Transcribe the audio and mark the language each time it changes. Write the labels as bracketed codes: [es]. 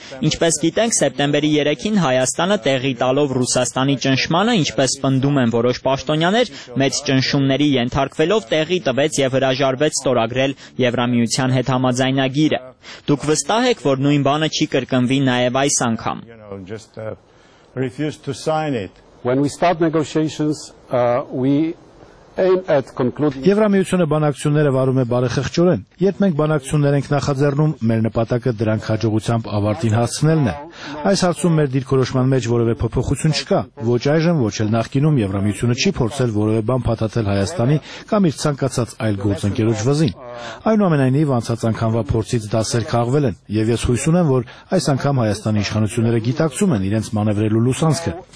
[hy] Ինչպես գիտենք, սեպտեմբերի 3-ին Հայաստանը տեղի տալով Ռուսաստանի ճնշմանը, ինչպես պնդում են որոշ պաշտոնյաներ, մեծ ճնշումների ենթարկվելով տեղի տվեց եւ հրաժարվեց ստորագրել Եվրամիության հետ համաձայնագիրը։ Դուք վստահ եք, որ նույն բանը չի կրկնվի նաև այս անգամ։ [en] When we start negotiations, we aim at concluding. [hy] Եվրամիությունը բանակցությունները վարում է բարեխղճորեն։ Երբ մենք բանակցություններ ենք նախաձեռնում, մեր նպատակը դրանք հաջողությամբ ավարտին հասցնելն է։ Այս հարցում մեր դիրքորոշման մեջ որևէ փոփոխություն չկա։ Ոչ այժմ, ոչ էլ նախկինում Եվրամիությունը չի փորձել որևէ բան փաթաթել Հայաստանի կամ իր ցանկացած այլ գործընկերոջ վզին։ Այնուամենայնիվ, անցած անգամվա փորձից դասեր քաղվել են, եւ ես հույս ունեմ, որ այս անգամ Հայաստանի իշխանությունները գիտակցում են իրենց մանևրելու լուսանցքը։